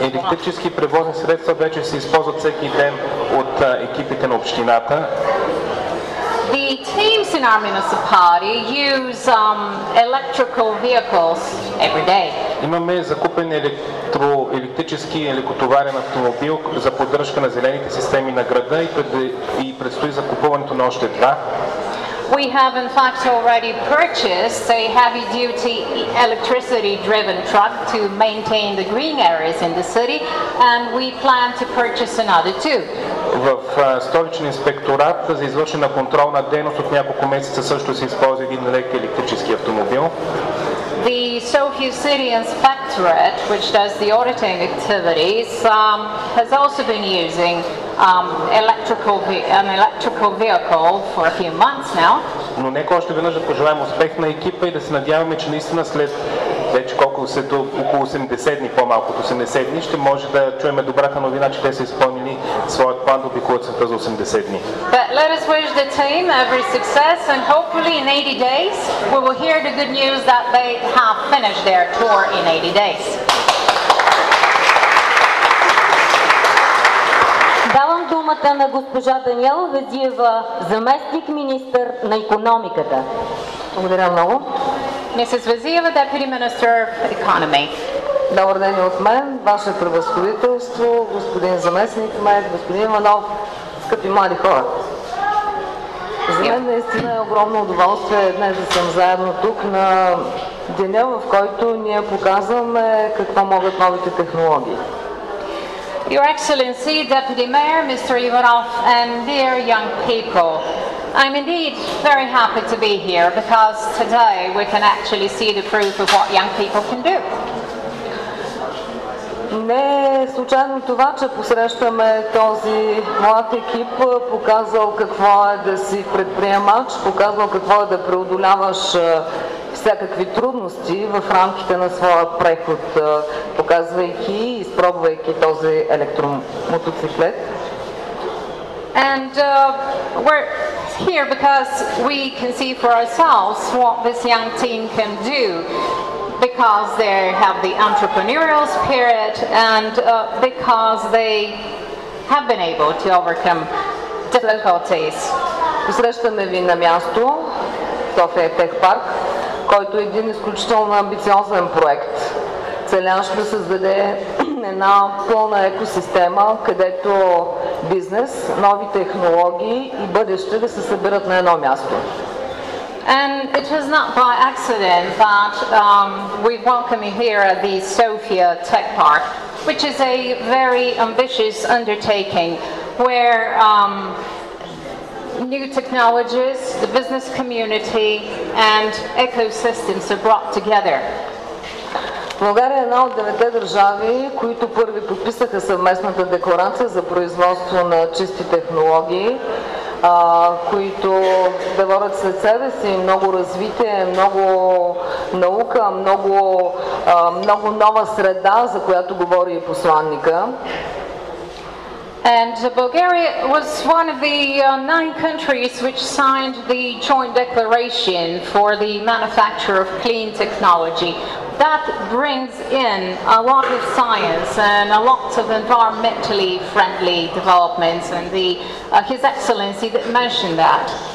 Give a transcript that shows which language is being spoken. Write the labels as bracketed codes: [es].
[bg] Електрически превозни средства вече се използват всеки ден от екипите на общината. [en] The teams in our municipality use electrical vehicles every day. [bg] Имаме закупен електрически лекотоварен автомобил за поддръжка на зелените системи на града и предстои закупуването на още два. [en] We have in fact already purchased a heavy duty electricity driven truck to maintain the green areas in the city and we plan to purchase another two. [bg] В столичен инспекторат за извършена на контролна дейност от няколко месеца също се използва един лек електрически автомобил. [en] The Sofia City Inspectorate, which does the auditing activities, has also been using an electrical vehicle for a few months now. [bg] Но нека още веднъж да пожелаем успех на екипа и да се надяваме, че наистина след вече колко се до около 80 дни, по-малко от 80 дни, ще може да чуем добрата новина, че те са изпълнили своят план да обиколят света за 80 дни. [en] But let us wish the team every success and hopefully in 80 days we will hear the good news that they have finished their tour in 80 days. [bg] Давам думата на госпожа Даниела Везиева, заместник министър на икономиката. Благодаря много. [en] Mrs. Viziyeva, Deputy Minister of Economy. [bg] Добър ден от мен, ваше превъзходителство, господин заместник мен, господин Иванов, скъпи млади хора. За мен наистина е огромно удоволствие днес да съм заедно тук на деня, в който ние показваме какво могат новите технологии. [en] Your Excellency, Deputy Mayor, Mr. Ivanov, and dear young people, I'm indeed very happy to be here because today we can actually see the proof of what young people can do. [bg] Не е случайно това, че посрещаме този млад екип, показал какво е да си предприемач, показал какво е да преодоляваш всякакви трудности в рамките на своя преход, показвайки и изпробвайки този електромотоциклет. [en] And we're here because we can see for ourselves what this young team can do. Because they have the entrepreneurial spirit and because they have been able to overcome difficulties. [bg] Посрещаме ви на място София Тех Парк, който е един изключително амбициозен проект. Целящ да създаде една пълна екосистема, където бизнес, нови технологии и бъдеще да се съберат на едно място. [en] And it was not by accident that we welcome you here at the Sofia Tech Park, which is a very ambitious undertaking where new technologies, the business community and ecosystems are brought together. [bg] България е една от 9 държави, които първи подписаха съвместната декларация за производство на чисти технологии, които да водят след себе си много развитие, много наука, много нова среда, за която говори и посланника. [en] And Bulgaria was one of the 9 countries which signed the joint declaration for the manufacture of clean technology. That brings in a lot of science and a lot of environmentally friendly developments and the His Excellency that mentioned that.